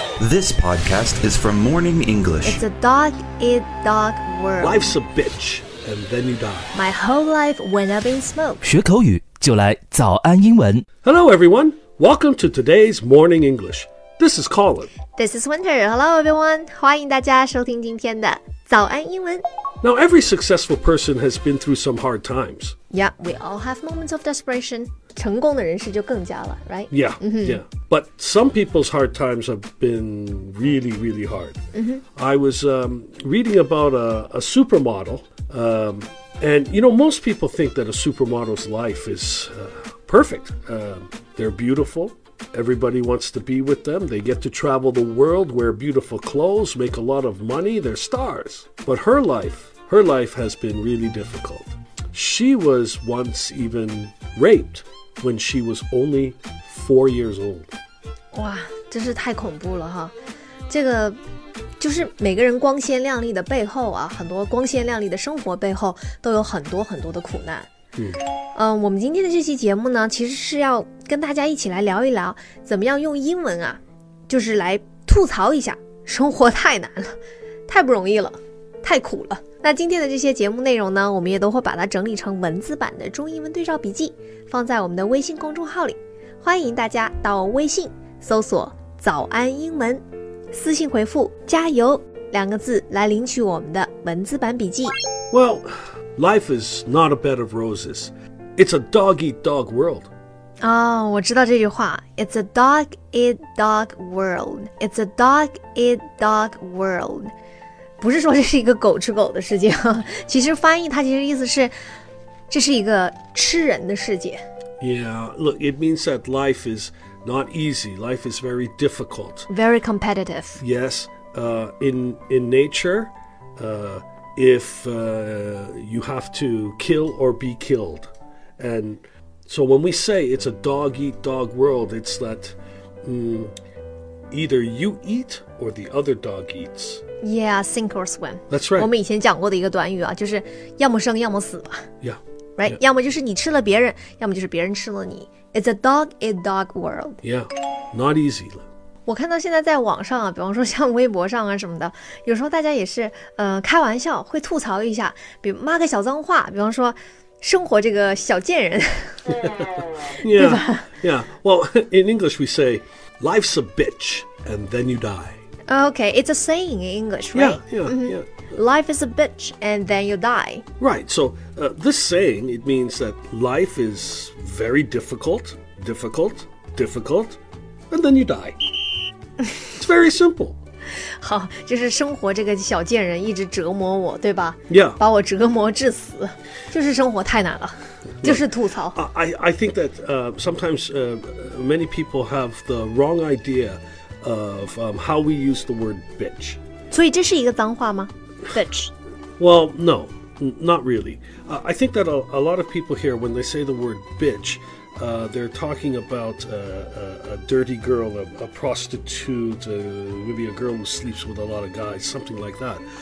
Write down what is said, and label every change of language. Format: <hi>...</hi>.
<en>This podcast is from Morning English. It's a dog-eat-dog world. Life's a bitch, and then you die. My whole life went up in smoke.</en> <zh>学口语就来早安英文。</zh> <en>Hello, everyone. Welcome to today's Morning English. This is Colin. This is Winter. Hello, everyone.</en> <zh>欢迎大家收听今天的早安英文。</zh> <en>Now, every successful person has been through some hard times. Yeah, we all have moments of desperation.</en> <zh>成功的人士就更加了,</zh> <en>right? Yeah,、mm-hmm. yeah. But some people's hard times have been really, really hard.、 Mm-hmm. I was、reading about a supermodel,、and you know, most people think that a supermodel's life is perfect.、they're beautiful. Everybody wants to be with them. They get to travel the world, wear beautiful clothes, make a lot of money. They're stars. But her life has been really difficult. She was once even raped when she was only 4 years old.</en> <zh>哇，真是太恐怖了哈。这个就是每个人光鲜亮丽的背后啊，很多光鲜亮丽的生活背后都有很多很多的苦难。嗯，我们今天的这期节目呢，其实是要跟大家一起来聊一聊，怎么样用英文啊，就是来吐槽一下，生活太难了，太不容易了，太苦了。那今天的这些节目内容呢，我们也都会把它整理成文字版的中英文对照笔记，放在我们的微信公众号里。欢迎大家到微信搜索早安英文，私信回复加油两个字来领取我们的文字版笔记。</zh> <en>Well, life is not a bed of roses. It's a dog-eat-dog world. Oh,</en> <zh>我知道这句话。</zh> <en>It's a dog-eat-dog world. It's a dog-eat-dog world.</en> <zh>不是说这是一个狗吃狗的世界，其实翻译它其实意思是，这是一个吃人的世界。</zh> <en>Yeah, look, it means that life is not easy. Life is very difficult. Very competitive. Yes, in nature, you have to kill or be killed. And so when we say it's a dog-eat-dog world, it's that either you eat or the other dog eats. Yeah, sink or swim. That's right.</en> <zh>我们以前讲过的一个短语啊，就是要么生要么死吧。</zh> <en>Yeah. Right. Yeah.</en> <zh>要么就是你吃了别人，要么就是别人吃了你。</zh> <en>It's a dog eat dog world. Yeah. Not easy.</en> <zh>我看到现在在网上啊，比方说像微博上啊什么的，有时候大家也是开玩笑会吐槽一下，比骂个小脏话，比方说生活这个小贱人。</zh> <en>yeah. Yeah. Well, in English we say life's a bitch and then you die. Okay, it's a saying in English, right? Yeah, yeah,、mm-hmm. yeah. Life is a bitch, and then you die. Right, so、this saying, it means that life is very difficult, difficult, difficult, and then you die. It's very simple.</en> <zh>好，就是生活这个小贱人一直折磨我，对吧</zh> <en>？Yeah.</en> <zh>把我折磨致死，就是生活太难了。就是吐槽。</zh> <en>I think that sometimes many people have the wrong idea. Of how we use the word bitch.</en> <zh>所以这是一个脏话吗?Bitch.</zh> <en>Well, no, not really. I think that a lot of people here, when they say the word bitch, they're talking about a dirty girl, a prostitute, maybe a girl who sleeps with a lot of guys, something like that.</en>